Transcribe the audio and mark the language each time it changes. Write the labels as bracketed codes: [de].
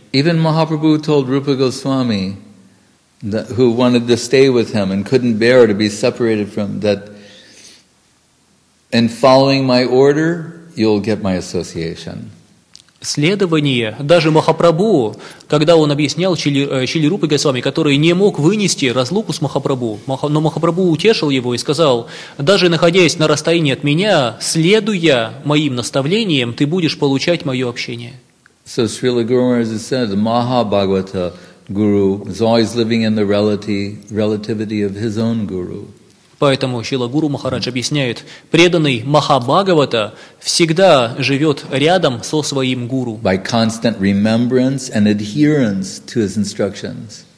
[en] Even Mahaprabhu told Rupa Goswami, who wanted to stay with him and couldn't bear to be separated from him, that in following my order, you'll get my association. [ru] Следование. Даже Махапрабху, когда он объяснял Шили Рупе Госвами, который не мог вынести разлуку с Махапрабху, но Махапрабху утешил его и сказал, даже находясь на расстоянии от меня, следуя моим наставлениям, ты будешь получать мое общение. [en] So Srila Guru Maharaj said, Mahabhagavata Guru is always living in the relativity of his own Guru. [ru] Поэтому Шрила Гуру Махарадж объясняет, преданный Махабхагавата всегда живет рядом со своим гуру. [en] By constant remembrance and adherence to his instructions.